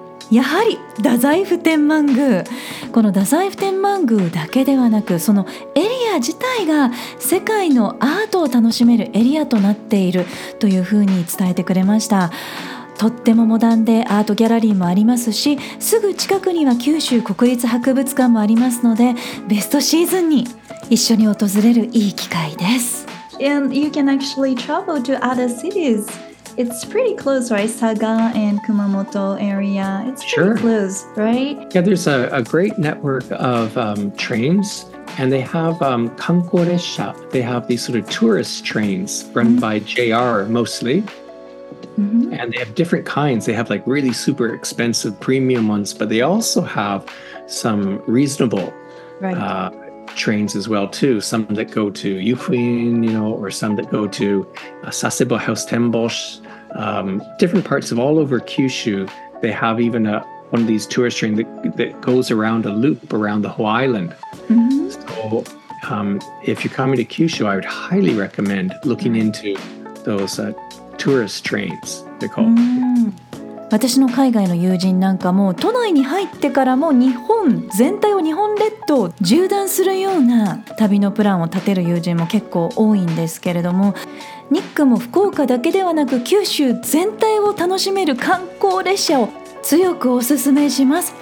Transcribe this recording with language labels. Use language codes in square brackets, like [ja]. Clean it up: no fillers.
[ja] やはり太宰府天満宮、この太宰府天満宮だけではなく、そのエリア自体が世界のアートを楽しめるエリアとなっているというふうに伝えてくれました。とってもモダンでアートギャラリーもありますし、すぐ近くには九州国立博物館もありますので、ベストシーズンに一緒に訪れるいい機会です。 [en] And you can actually travel to other cities. It's pretty close, right? Saga and Kumamoto area. It's pretty close, right? Yeah, there's a great network of trains, and they have kankou reisha. They have these sort of tourist trains run by JR mostly. Mm-hmm. And they have different kinds. They have like really super expensive premium ones, but they also have some reasonable trains as well too. Some that go to Yufuin, you know, or some that go to Sasebo House Tenbosh. Different parts of all over Kyushu, they have even one of these tourist trains that goes around a loop around the whole island. Mm-hmm. So if you're coming to Kyushu, I would highly recommend looking into those tourist trains, they're called. Mm-hmm. [ja] 私の海外の友人なんかも、都内に入ってからも日本全体を日本列島を縦断するような旅のプランを立てる友人も結構多いんですけれども、ニックも福岡だけではなく九州全体を楽しめる観光列車を強くおすすめします。